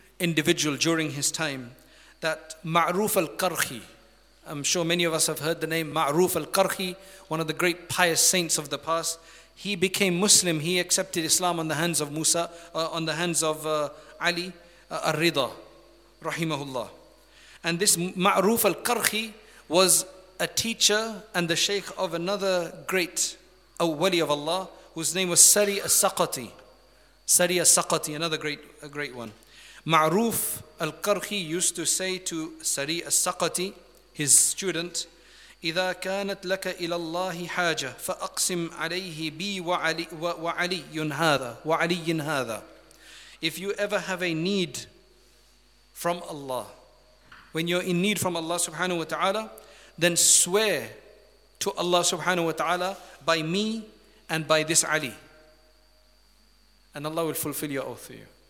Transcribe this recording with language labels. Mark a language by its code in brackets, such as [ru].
[en] individual during his time, that Ma'ruf al-Karhi, I'm sure many of us have heard the name Ma'ruf al-Karhi, one of the great pious saints of the past, he became Muslim, he accepted Islam on the hands of Musa, on the hands of Ali al-Ridha, rahimahullah. And this Ma'ruf al-Karhi was a teacher and the sheikh of another great awwali of Allah, whose name was Sari al-Saqati. Sari al-Saqati, another great one. Ma'ruf al-Karhi used to say to Sari al-Saqati, his student, [ar] إِذَا كَانَتْ لَكَ إِلَى اللَّهِ حَاجَةً فَأَقْسِمْ عَلَيْهِ بِي وَعَلِيٍّ هَذَا وَعَلِيٍّ هَذَا. [en] If you ever have a need from Allah, when you're in need from Allah subhanahu wa ta'ala, then swear to Allah subhanahu wa ta'ala by me and by this Ali, and Allah will fulfill your oath for you.